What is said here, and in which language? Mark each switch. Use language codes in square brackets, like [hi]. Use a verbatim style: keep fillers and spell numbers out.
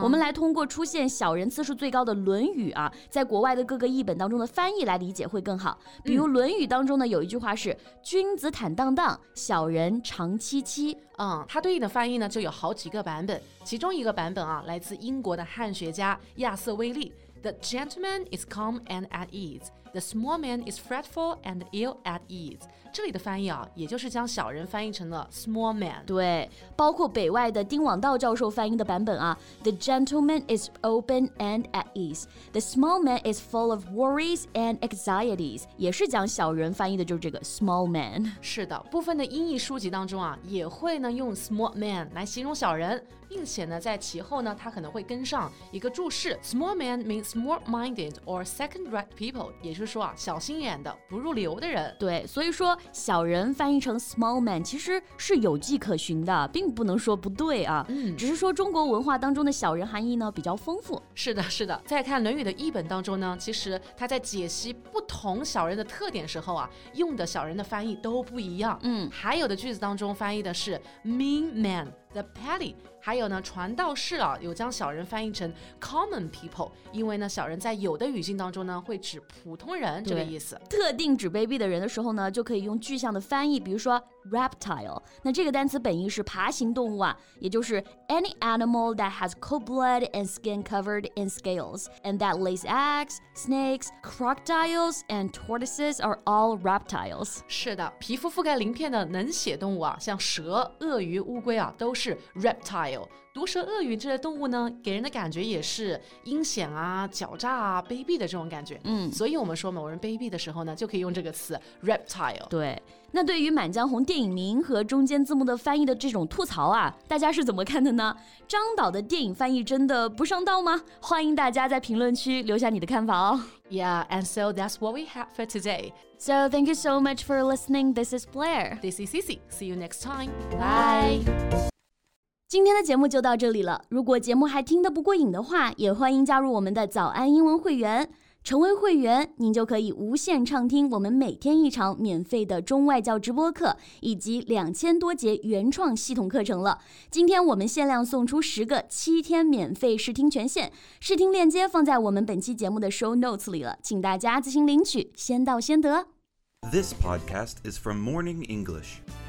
[zh] 我们来通过出现小人次数最高的论语啊，在国外的各个译本当中的翻译来理解会更好。比如论语当中呢有一句话是君子坦荡荡，小人长戚戚。嗯，它对应的翻译呢就有好几个版本，其中一个版本啊来自英国的汉学家亚瑟威利， [en] The gentleman is calm and at ease. The small man is fretful and ill at ease. [zh] 这里的翻译啊，也就是将小人翻译成了 small man。对，包括北外的丁广道教授翻译的版本啊。 [en] The gentleman is open and at ease. The small man is full of worries and anxieties. [zh] 也是将小人翻译的就是这个 small man。是的，部分的英译书籍当中啊，也会呢用 small man 来形容小人，并且呢在其后呢，它可能会跟上一个注释 ：small man means small-minded or second-rate people，也就是说啊，小心眼的、不入流的人。对，所以说小人翻译成 small man 其实是有迹可循的，并不能说不对啊。嗯，只是说中国文化当中的小人含义呢比较丰富。是的，是的。再看《论语》的译本当中呢，其实他在解析不同小人的特点时候啊，用的小人的翻译都不一样。嗯，还有的句子当中翻译的是 mean man。The petty， 还有呢，传道士啊，有将小人翻译成 common people， 因为呢，小人在有的语境当中呢，会指普通人这个意思。特定指卑鄙的人的时候呢，就可以用具象的翻译，比如说 reptile。 [en] 那这个单词本意是爬行动物啊，也就是 any animal that has cold blood and skin covered in scales, and that lays eggs, snakes, crocodiles and tortoises are all reptiles. [zh] 是的，皮肤覆盖鳞片的冷血动物啊，像蛇、鳄鱼、乌龟啊，都是。是 reptile， 毒蛇、鳄鱼这些动物呢，给人的感觉也是阴险啊、狡诈啊、卑鄙的这种感觉。嗯，所以我们说某人卑鄙的时候呢，就可以用这个词 reptile。对，那对于《满江红》电影名和中间字幕的翻译的这种吐槽啊，大家是怎么看的呢？张导的电影翻译真的不上道吗？欢迎大家在评论区留下你的看法哦。 [en] Yeah, and so that's what we have for today. So thank you so much for listening. This is Blair. This is Cici. See you next time. Bye. Bye. [zh] 今天的节目就到这里了，如果节目还听得不过瘾的话，也欢迎加入我们的早安英文会员。成为会员，您就可以无限畅听我们每天一场免费的中外教直播课，以及两千多节原创系统课程了。今天我们限量送出十个七天免费试听权限，试听链接放在我们本期节目的 show notes 里了，请大家自行领取，先到先得。 [en] This podcast is from Morning English.